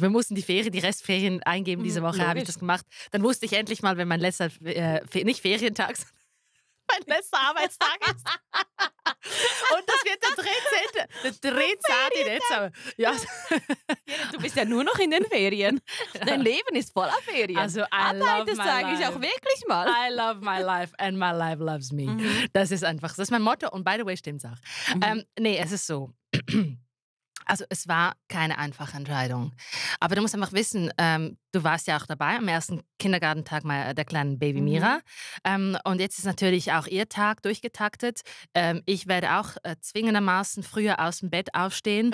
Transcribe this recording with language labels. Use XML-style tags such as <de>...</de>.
<de>Wir mussten die Restferien eingeben. Diese Woche habe ich das gemacht. Dann wusste ich endlich mal, wenn mein letzter, nicht Ferientag, mein letzter Arbeitstag ist. Und das wird der 13. Der 13. Dezember. Ja. Du bist ja nur noch in den Ferien. Dein Leben ist voller Ferien. Also, Arbeit, sage ich auch wirklich mal.</de> <en>I love my life and my life loves me. Mhm.</en> <de>Das ist einfach, das ist mein Motto. Und</de> <en>by the way,</en> <de>stimmt's auch. Mhm. Nee, es ist so. Also es war keine einfache Entscheidung. Aber du musst einfach wissen, du warst ja auch dabei am ersten Kindergartentag der kleinen Baby Mira. Und jetzt ist natürlich auch ihr Tag durchgetaktet. Ich werde auch zwingendermaßen früher aus dem Bett aufstehen.</de>